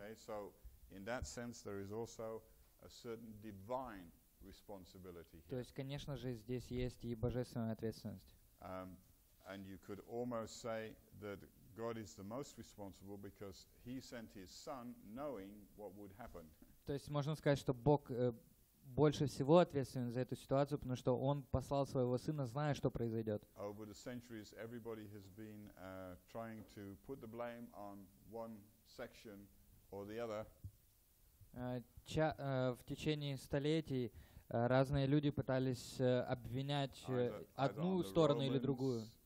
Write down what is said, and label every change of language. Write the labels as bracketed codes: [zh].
[en] Okay, so in that sense, there is also a certain divine responsibility here. [ru] То есть, конечно же, здесь есть и божественная ответственность. [en] And you could almost say that God is the most responsible because he sent his son knowing what would happen. [ru] То есть можно сказать, что Бог больше всего ответственен за эту ситуацию, потому что он послал своего сына, зная, что произойдет. [en] Over the centuries, everybody has been trying to put the blame on one section or the other. [ru] В течение столетий разные люди пытались обвинять одну сторону или другую.